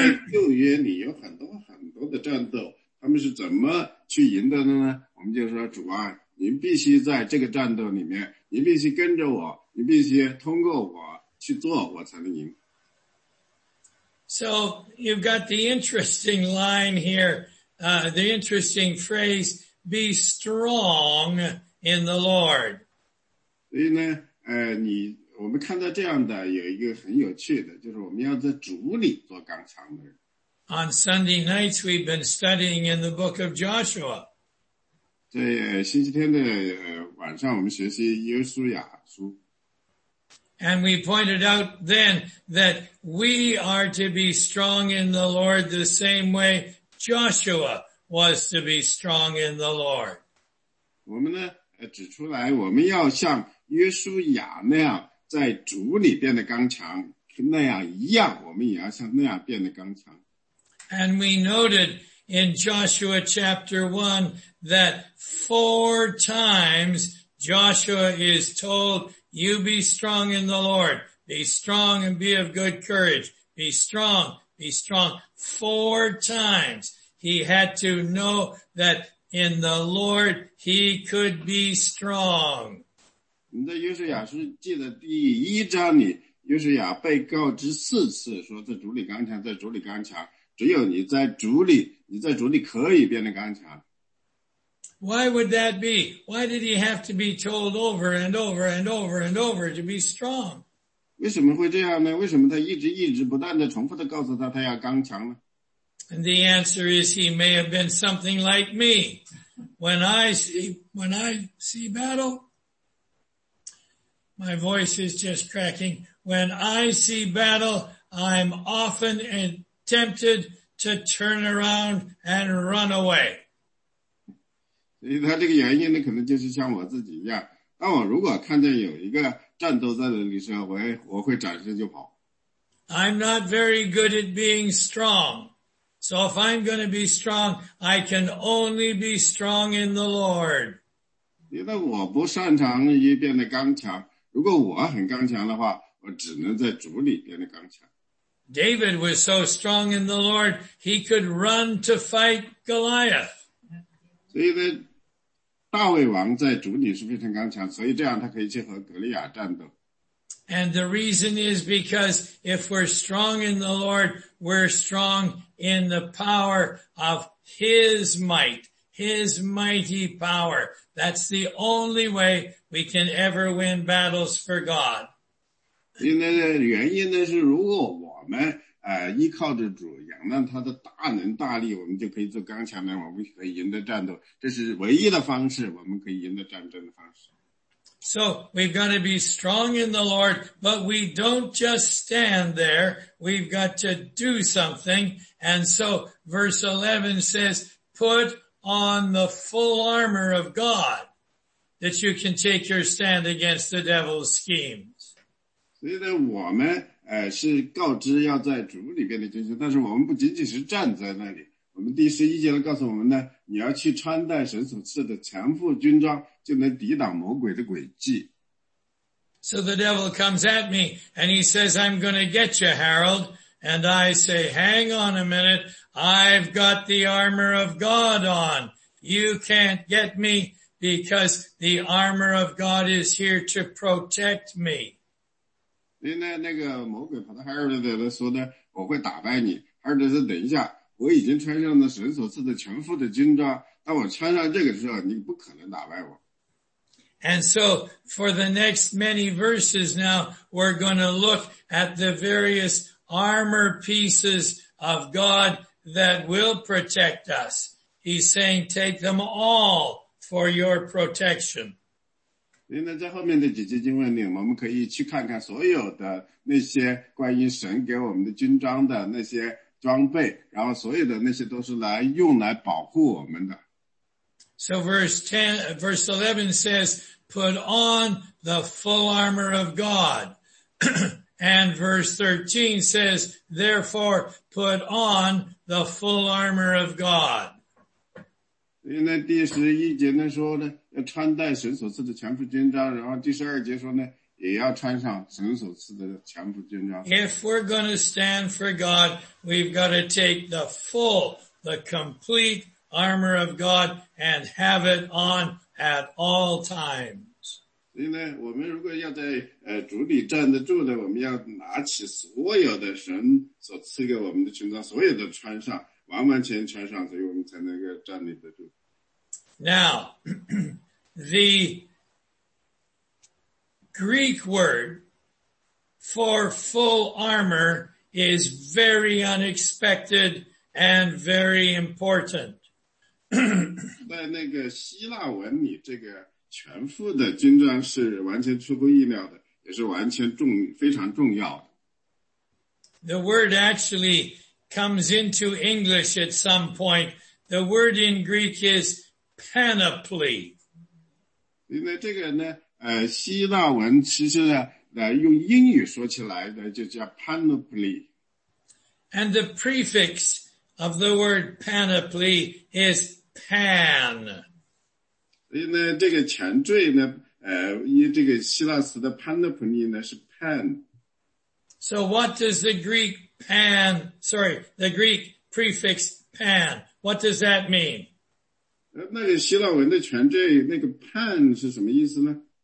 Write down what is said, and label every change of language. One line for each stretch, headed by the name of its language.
Chinese: 旧约里有很多很多的战斗，他们是怎么去赢的呢？我们就说主啊。您必须在这个战斗里面，您必须跟着我，您必须通过我去做，我才能赢。
English: So you've got the interesting line here, the interesting phrase, be strong in the Lord.
Chinese: 所以呢，我们看到这样的有一个很有趣的，就是我们要在主里做刚强的人。
English: On Sunday nights, we've been studying in the book of Joshua.
Chinese: 在星期天的晚上我们学习约书亚书。
English: And we pointed out then that we are to be strong in the Lord the same way Joshua was to be strong in the Lord.
Chinese: 我们呢指出来我们要像约书亚那样在主里变得刚强那样一样我们也要像那样变得刚强。
English: And we noted in Joshua chapter 1, that four times Joshua is told, you be strong in the Lord, be strong and be of good courage, be strong. Four times he had to know that in the Lord he could be strong.
Chinese: 你在约书亚书记的第一章里，约书亚被告知四次说在主里刚强，在主里刚强。只有你在主里，你在主里可以变得刚强。
English: Why would that be? Why did he have to be told over and over and over and over to be strong?
Chinese: 为什么会这样呢？为什么他一直一直不断地重复地告诉他他要刚强呢？
English: And the answer is he may have been something like me. When I see battle, my voice is just cracking. When I see battle, I'm often tempted to turn around and run away.
Chinese: 所以他这个原因呢可能就是像我自己一样当我如果看见有一个战斗在那里时候 我会转身就跑。
English: I'm not very good at being strong. So if I'm going to be strong, I can only be strong in the Lord.
Chinese: 因为我不擅长于变得刚强如果我很刚强的话我只能在主里变得刚强。
English: David was so strong in the Lord, he could run to fight Goliath.
Chinese: 所以呢，大卫王在主里是非常刚强，所以这样他可以去和格利亚战斗。
English: And the reason is because if we're strong in the Lord, we're strong in the power of his might, his mighty power. That's the only way we can ever win battles for God.
Chinese: 因为原因呢是如果我们依靠着主仰望他的大能大力我们就可以做刚强的我们可以赢得战斗这是唯一的方式我们可以赢得战争的方式
English: So we've got to be strong in the Lord but we don't just stand there we've got to do something and so verse 11 says put on the full armor of God that you can take your stand against the devil's schemes
Chinese: 所以呢我们是告知要在主里边的军事但是我们不仅仅是站在那里我们第十一节呢告诉我们呢，你要去穿戴神所赐的全副军装，就能抵挡魔鬼的诡计。
English: So the devil comes at me and he says, I'm going to get you, Harold. And I say, hang on a minute. I've got the armor of God on. You can't get me because the armor of God is here to protect me.
Chinese: 所以呢，那个魔鬼跑到 Harold 的人说呢，我会打败你。 Harold 说，等一下，我已经穿上了神所赐的全副的军装。当我穿上这个时候，你不可能打败我。
English: And so for the next many verses now, we're going to look at the various armor pieces of God that will protect us. He's saying, take them all for your protection.
Chinese: 因为在后面的几节经文里，我们可以去看看所有的那些关于神给我们的军装的那些装备，然后所有的那些都是来用来保护我们的。
English: So verse 11 says, put on the full armor of God. And verse 13 says, therefore, put on the full armor of God.
Chinese: 因为第十一节呢说呢，要穿戴神所赐的全副军装，然后第十二节说呢，也要穿上神所赐的全副军装。
English: If we're going to stand for God, we've got to take the full, the complete armor of God and have it on at all times.
Chinese: 所以呢，我们如果要在主里站得住呢，我们要拿起所有的神所赐给我们的军装，所有的穿上，完完全穿上，所以我们才能够站立得住。
English: Now, the Greek word for full armor is very unexpected and very important.
Chinese: 在那个希腊文里，这个全副的军装是完全出乎意料的，也是完全重，非常重要的。
English: The word actually comes into English at some point. The word in Greek is panoply.
Chinese: 因为这个呢，希腊文其实呢，用英语说起来呢，就叫 panoply.
English: And the prefix of the word panoply is pan.
Chinese: 因为这个前缀呢，因为这个希腊词的 panoply 呢是 pan.
English: So what does the Greek pan, sorry, the Greek prefix pan, what does that mean?
Chinese: 那个希腊文的全缀那个 pan 是什么意思呢？